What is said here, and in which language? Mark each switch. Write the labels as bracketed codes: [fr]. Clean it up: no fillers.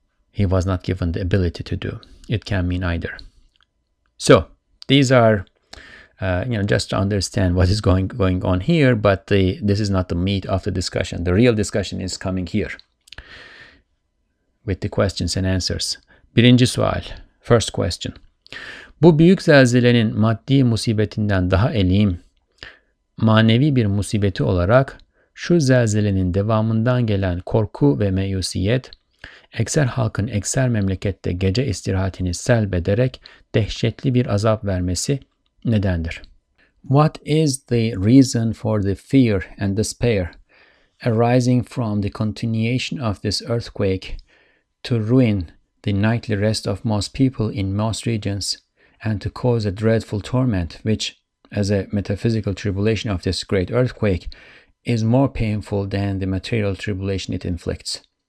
[en] He was not given the ability to do. It can mean either. So these are, just to understand what is going on here, but this is not the meat of the discussion. The real discussion is coming here with the questions and answers. [tr] Birinci sual, [en] first question. [tr] Bu büyük zelzelenin maddi musibetinden daha elim, manevi bir musibeti olarak şu zelzelenin devamından gelen korku ve meyusiyet, ekser halkın ekser memlekette gece istirahatini selbederek dehşetli bir azap vermesi nedendir? [en] What is the reason for the fear and despair arising from the continuation of this earthquake to ruin the nightly rest of most people in most regions and to cause a dreadful torment, which, as a metaphysical tribulation of this great earthquake, is more painful than the material tribulation it inflicts?